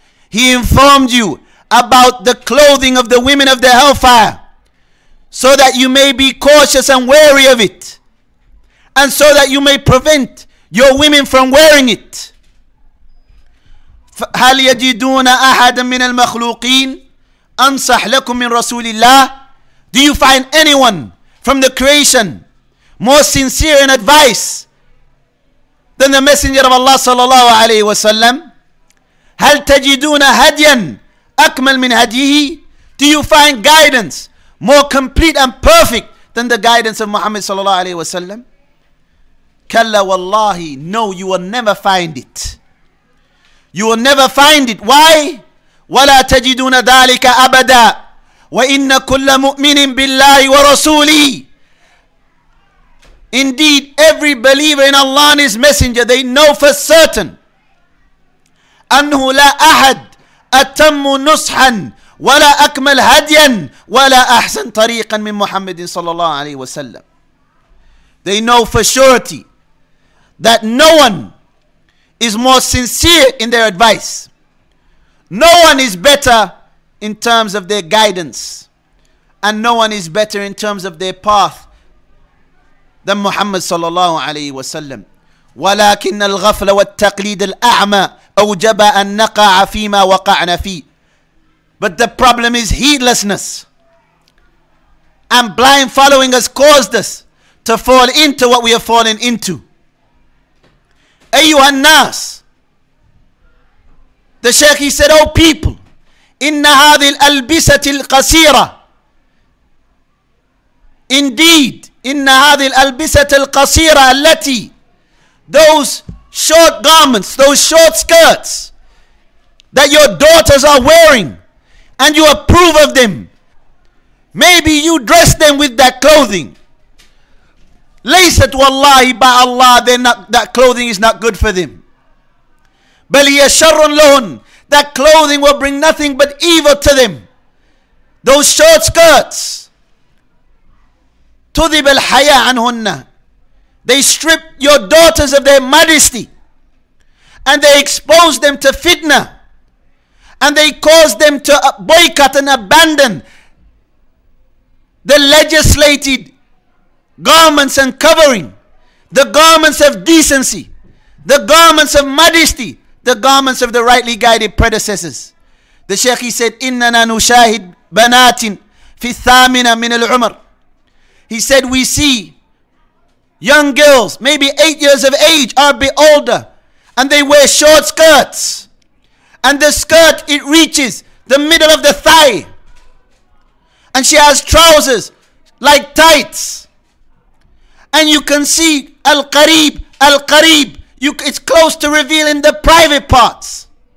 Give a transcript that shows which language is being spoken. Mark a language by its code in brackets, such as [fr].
[en] He informed you about the clothing of the women of the hellfire so that you may be cautious and wary of it, and so that you may prevent your women from wearing it. [ar] هل يجدون أحدا من المخلوقين أنصح لكم من رسول الله. [en] Do you find anyone from the creation more sincere in advice than the Messenger of Allah صلى الله عليه وسلم. [ar] هل تجدون هديا أكمل من هديه. [en] Do you find guidance more complete and perfect than the guidance of Muhammad صلى الله عليه وسلم. [ar] كلا والله. [en] No, you will never find it. You will never find it. Why? [ar] وَلَا تَجِدُونَ ذَلِكَ أَبَدًا وَإِنَّ كُلَّ مُؤْمِنٍ بِاللَّهِ وَرَسُولِهِ. [en] Indeed, every believer in Allah and His Messenger, they know for certain [ar] أَنْهُ لَا أَحَدْ أَتَمُّ نُصْحًا وَلَا أَكْمَلْ هَدْيًا وَلَا أَحْسَنْ طَرِيقًا مِنْ مُحَمَّدٍ صَلَى اللَّهُ عَلَيْهِ وَسَلَّمْ. [en] They know for surety that no one is more sincere in their advice. No one is better in terms of their guidance, and no one is better in terms of their path than Muhammad sallallahu alayhi wa sallam. [ar] ولكن الغفل والتقليد الأعمى أوجب أن نقع فيما وقعنا فيه. [en] But the problem is heedlessness and blind following has caused us to fall into what we have fallen into. [ar] أيها الناس. [en] The Sheikh, he said, oh people, [ar] إن هذه الألبسة القصيرة. [en] Indeed, [ar] إن هذه الألبسة القصيرة التي. [en] Those short garments, those short skirts that your daughters are wearing and you approve of them. Maybe you dress them with that clothing. [ar] Laysat wallahi, [en] by Allah, that clothing is not good for them. [ar] Bal hiya sharrun lahun, [en] that clothing will bring nothing but evil to them. Those short skirts, [ar] tudhib al haya anhunna, [en] they strip your daughters of their majesty, and they expose them to fitna, and they cause them to boycott and abandon the legislated garments and covering, the garments of decency, the garments of majesty, the garments of the rightly guided predecessors. The Shaykh, he said, [ar] إِنَّنَا نُشَاهِدْ بَنَاتٍ فِي الثَّامِنَ مِنَ الْعُمَرِ. [en] He said, we see young girls, maybe 8 years of age, are a bit older, and they wear short skirts, and the skirt, it reaches the middle of the thigh, and she has trousers like tights, and you can see [ar] al-qarib, al-qarib, [en] it's close to revealing the private parts.